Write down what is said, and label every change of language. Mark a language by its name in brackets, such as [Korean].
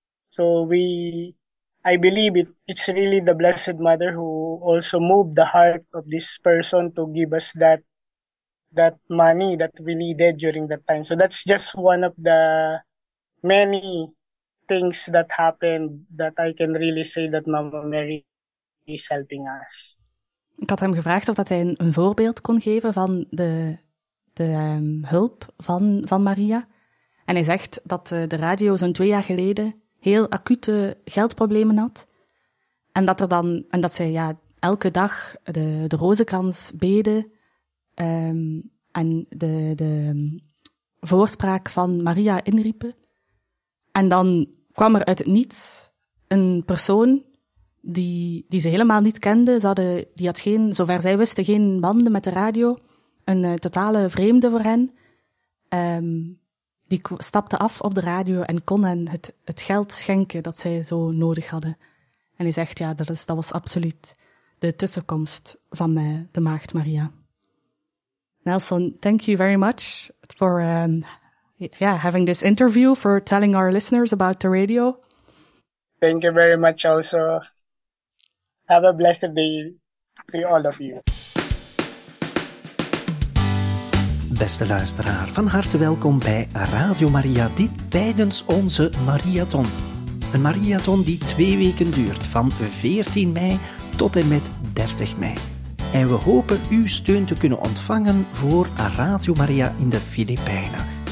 [English] So I believe it's really the Blessed Mother who also moved the heart of this person to give us that money that we needed during that time. So that's just one of the many things that happened that I can really say that Mama Mary is helping us. [Dutch] Ik had hem gevraagd of dat hij een voorbeeld kon geven van de hulp van Maria. En hij zegt dat de radio zo'n 2 jaar geleden heel acute geldproblemen had. En dat zij elke dag de rozenkrans beden en de voorspraak van Maria inriepen. En dan kwam er uit het niets een persoon die ze helemaal niet kende. Die had geen, zover zij wisten, geen banden met de radio. Een totale vreemde voor hen. Die stapte af op de radio en kon hen het geld schenken dat zij zo nodig hadden. En hij zegt, dat was absoluut de tussenkomst van de Maagd Maria. [English] Nelson, thank you very much for having this interview, for telling our listeners about the radio. Thank you very much also. Have a blessed day to all of you. [Dutch] Beste luisteraar, van harte welkom bij Radio Maria, dit tijdens onze Mariathon. Een Mariathon die 2 weken duurt, van 14 mei tot en met 30 mei. En we hopen uw steun te kunnen ontvangen voor Radio Maria in de Filipijnen.